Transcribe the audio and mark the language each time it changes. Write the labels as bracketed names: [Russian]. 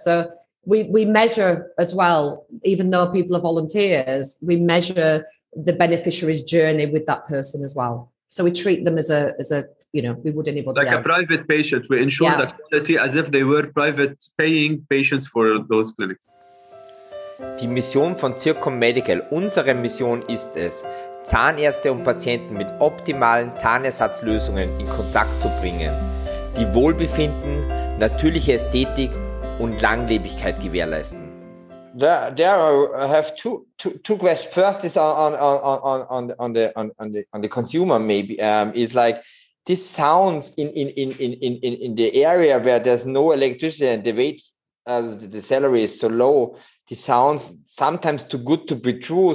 [English] So we measure as well, even though people are volunteers, we measure the beneficiary's journey with that person as well. So we treat them as a you know, we would anybody like else. A private patient. We ensure the quality as if they were private paying patients for those clinics. [German] Die Mission von Zirkum Medical, unsere Mission ist es, Zahnärzte und Patienten mit optimalen Zahnersatzlösungen in Kontakt zu bringen, die Wohlbefinden, natürliche Ästhetik und Langlebigkeit gewährleisten. [English] There I have two questions. First is on the consumer, maybe is like these sounds in the area where there's no electricity and the wage, the salary is so low, this sounds sometimes too good to be true.